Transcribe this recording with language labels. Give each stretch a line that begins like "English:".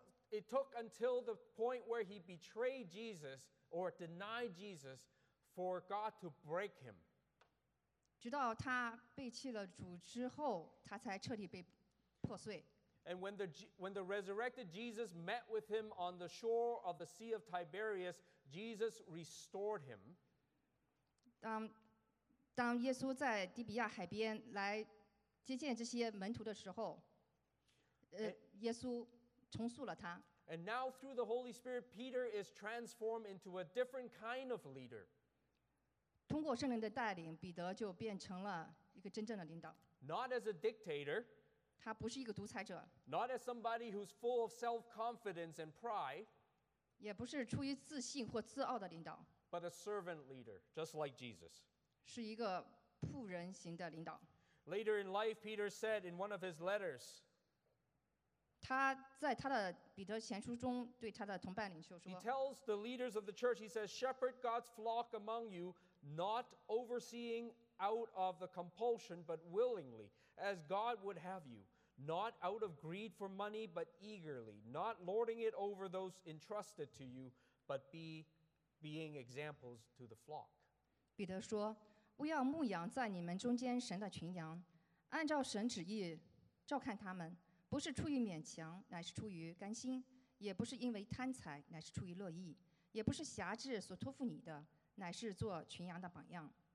English: It took until the point where he betrayed Jesus or denied Jesus for God to break him.
Chinese: 直到他背弃了主之后，他才彻底被破碎。
English: And when the resurrected Jesus met with him on the shore of the Sea of Tiberias, Jesus restored him.
Chinese: 当耶稣在底比亚海边来接见这些门徒的时候，耶稣重塑了他。
English: And now through the Holy Spirit, Peter is transformed into a different kind of leader.
Chinese: 通过圣灵的带领，彼得就变成了一个真正的领导。
English: Not as a dictator.
Chinese: 他不是一个独裁者。
English: Not as somebody who's full of self-confidence and pride.
Chinese: 也不是出于自信或自傲的领导。
English: But a servant leader, just like Jesus.
Chinese: 是一个仆人型的领导。
English: Later in life, Peter said in one of his letters.
Chinese: 他在他的彼得前书中对他的同伴领袖说。
English: He tells the leaders of the church, he says, shepherd God's flock among you, not overseeing out of the compulsion, but willingly. As God would have you, not out of greed for money, but eagerly, not lording it over those entrusted to you, but being examples to the flock.
Chinese: 彼得说，我要牧养在你们中间神的群羊，按照神旨意照看他们，不是出于勉强，乃是出于甘心，也不是因为贪财，乃是出于乐意，也不是辖制所托付你的，乃是做群羊的榜样。